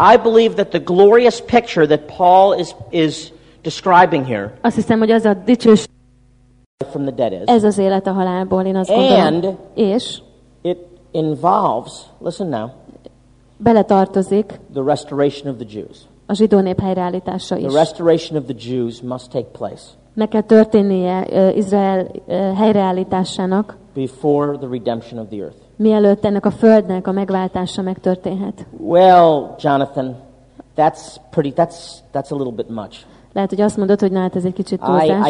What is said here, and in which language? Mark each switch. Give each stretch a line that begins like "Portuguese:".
English: I believe that the glorious picture that Paul is describing here.
Hungarian: Azt hiszem, hogy az a dicsős
English: from the dead is.
Hungarian: Ez az élet a halálból, én azt gondolom.
English: And
Hungarian: és
English: it involves, listen now.
Hungarian: Beletartozik
English: the restoration of the Jews.
Hungarian: A zsidó nép helyreállítása is.
English: The restoration of the Jews must take place.
Hungarian: Meg kell történnie Izrael helyreállításának.
English: Before the redemption of the earth.
Hungarian: Mielőtt ennek a földnek a megváltása megtörténhet.
English: Well, Jonathan, that's a little bit much.
Hungarian: Lehet, hogy azt mondod, hogy na, hát ez egy kicsit túlzás.